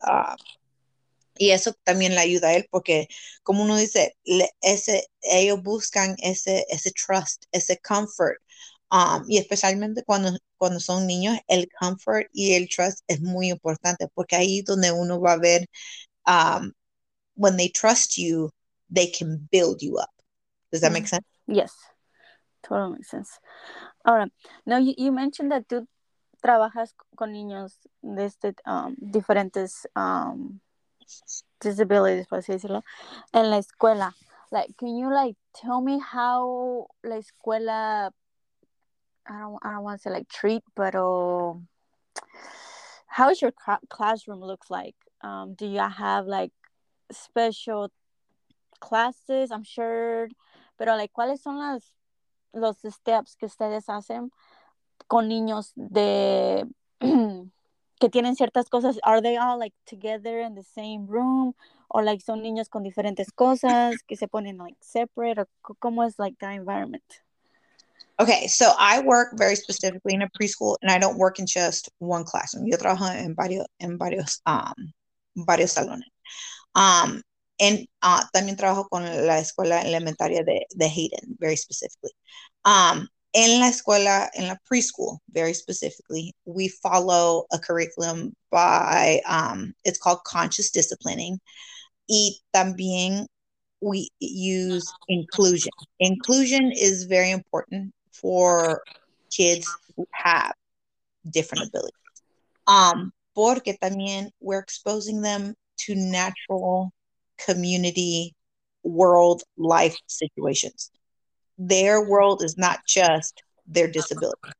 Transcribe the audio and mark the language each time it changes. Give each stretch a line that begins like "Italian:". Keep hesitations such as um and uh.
Spanish: Uh, y eso también le ayuda a él porque, como uno dice, le, ese, ellos buscan ese, ese trust, ese comfort, Um, y especialmente cuando, cuando son niños, el comfort y el trust es muy importante porque ahí es donde uno va a ver, um,
English: when they trust you, they can build you up. Does that make sense? Yes, totally makes sense.
Spanish: Ahora,
English: now you, you mentioned that
Spanish: tú trabajas con niños desde um, diferentes um, disabilities, por así decirlo, en la escuela.
English: Like, can you like tell me how
Spanish: la escuela?
English: I don't, I don't want to say like treat, but oh, how is your cra- classroom looks like? Um, do you have like special classes? I'm sure,
Spanish: pero like, ¿cuáles son las los steps que ustedes hacen con niños de que tienen ciertas cosas,
English: are they all like together in the same room? Or like
Spanish: son niños con diferentes cosas que se ponen
English: like separate? Or c-
Spanish: cómo es
English: like that environment? Okay, so I work very specifically in a preschool, and I don't work in just one classroom.
Spanish: Yo trabajo en varios, en varios, um, varios salones. Um, and uh, también trabajo con la escuela elementaria de, de Hayden,
English: very specifically. Um,
Spanish: en la escuela, en la
English: preschool, very specifically, we follow a curriculum by, um, it's called conscious disciplining.
Spanish: Y también
English: we use inclusion. Inclusion is very important for kids who have different abilities. Um,
Spanish: porque también
English: we're exposing them to natural community world life situations their world is not just their disability.